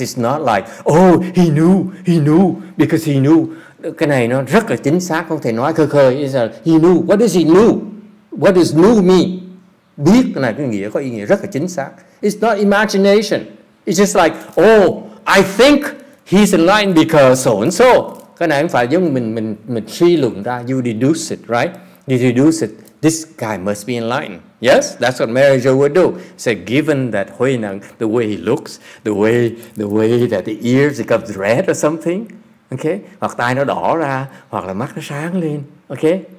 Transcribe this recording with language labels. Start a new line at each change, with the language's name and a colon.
English: It's not like, oh, he knew, because he knew.
Vietnamese: Cái này nó rất là chính xác, không thể nói khơi khơi.
English: It's like, he knew. What does he knew? What does knew mean?
Vietnamese: Biết, cái này cái nghĩa có ý nghĩa rất là chính xác.
English: It's not imagination. It's just like, oh, I think he's enlightened because so and so.
Vietnamese: Cái này không phải giống mình suy luận ra.
English: You deduce it, right? You deduce it. This guy must be enlightened. Yes, that's what marriage would do. Say, so given that HuiNeng, the way he looks, the way that the ears become red or something, okay?
Vietnamese: Hoặc tai nó đỏ ra, hoặc là mắt nó sáng lên, okay?